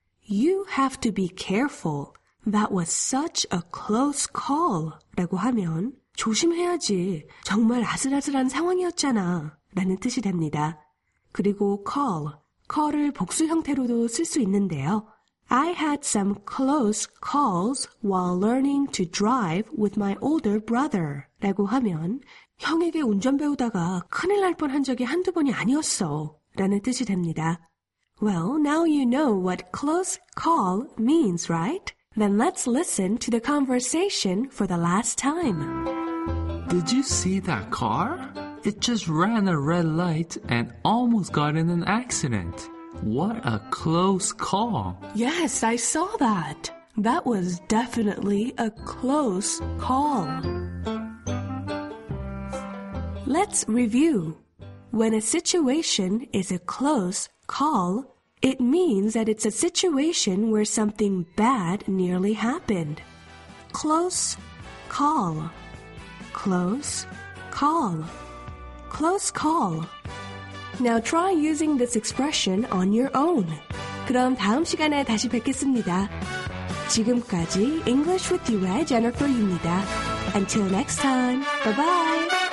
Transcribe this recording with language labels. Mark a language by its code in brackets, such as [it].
[en] You have to be careful. That was such a close call. [ko] 라고 하면 조심해야지. 정말 아슬아슬한 상황이었잖아. 라는 뜻이 됩니다. 그리고 call, call을 복수 형태로도 쓸 수 있는데요. [en] I had some close calls while learning to drive with my older brother. [ko] 라고 하면 형에게 운전 배우다가 큰일 날 뻔한 적이 한두 번이 아니었어. 라는 뜻이 됩니다. [en] Well, now you know what close call means, right? Then let's listen to the conversation for the last time. Did you see that car? It just ran a red light and almost got in an accident. What a close call. Yes, I saw that. That was definitely a close call. Let's review. When a situation is a close call, it means that it's a situation where something bad nearly happened. Close call. Close call. Close call. Now try using this expression on your own. [ko] 그럼 다음 시간에 다시 뵙겠습니다. 지금까지 English with you의 Jennifer입니다. [en] Until next time, bye-bye.